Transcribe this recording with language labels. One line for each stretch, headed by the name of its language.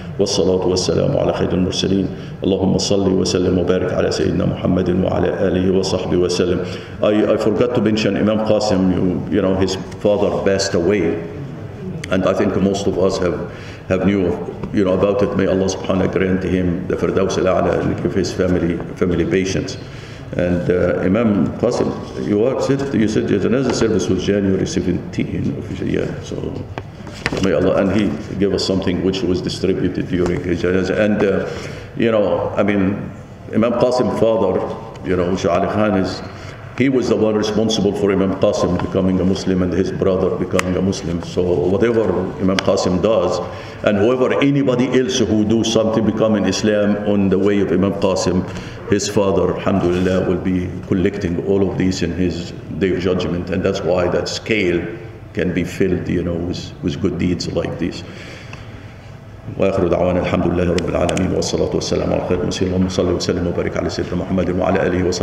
Arabic: والصلاة والسلام على خير المرسلين اللهم صل وسلم وبارك على سيدنا محمد وعلى آله وصحبه وسلم.
English: I forgot to mention Imam Qasim, you know, his father passed away, and I think most of us have knew, you know, about it. May Allah subhanahu grant him the Firdaus al-A'la and give his family patience. And Imam Qasim, you said the Janaza service was January 17th, yeah, so may Allah, and he gave us something which was distributed during his janazah. And you know, I mean, Imam Qasim's father, you know, Shah Ali Khan, he was the one responsible for Imam Qasim becoming a Muslim and his brother becoming a Muslim. So whatever Imam Qasim does, and whoever anybody else who do something becoming Islam on the way of Imam Qasim, his father, alhamdulillah, will be collecting all of these in his day of judgment. And that's why that scale can be filled, you know, with good deeds like this.
Arabic: وآخر دعوانا الحمد لله رب العالمين والصلاة والسلام على خير المرسلين اللهم صل وسلم وبارك على سيدنا محمد وعلى آله وصحبه.